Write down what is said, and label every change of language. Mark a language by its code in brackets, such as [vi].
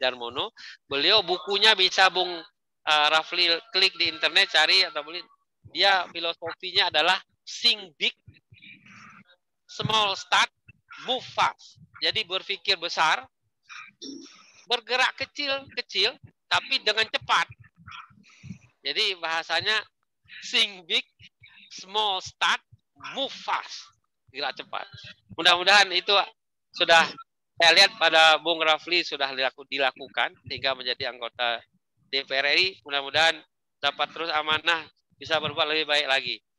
[id] Darmono, beliau bukunya bisa Bung Rafli klik di internet, cari atau beli. Dia filosofinya adalah [en] think big, small start, move fast. [id] Jadi berpikir besar, bergerak kecil-kecil, tapi dengan cepat. Jadi bahasanya [en] think big, small start, move fast. [id] Gerak cepat. Mudah-mudahan itu sudah saya lihat pada Bung Rafli sudah dilakukan, sehingga menjadi anggota DPR RI. Mudah-mudahan dapat terus amanah, bisa berbuat lebih baik lagi.